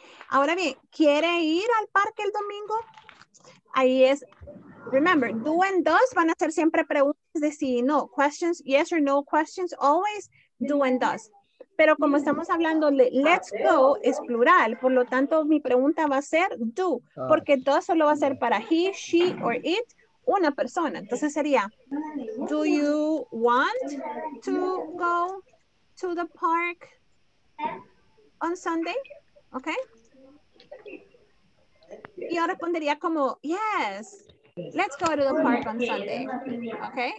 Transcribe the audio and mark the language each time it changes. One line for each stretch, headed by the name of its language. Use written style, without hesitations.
Spanish: Ahora bien, ¿quiere ir al parque el domingo? Ahí es,
English: remember, do and does
Spanish: van a ser siempre preguntas de sí y no.
English: Questions, yes or no questions, always do and does.
Spanish: Pero como estamos hablando,
English: let's go
Spanish: es plural. Por lo tanto, mi pregunta va a ser do. Porque does solo va a ser para
English: he, she, or it,
Spanish: una persona. Entonces sería,
English: do you want to go to the park on Sunday? Okay.
Spanish: Y yo respondería como,
English: yes, let's go to the park on Sunday. Okay.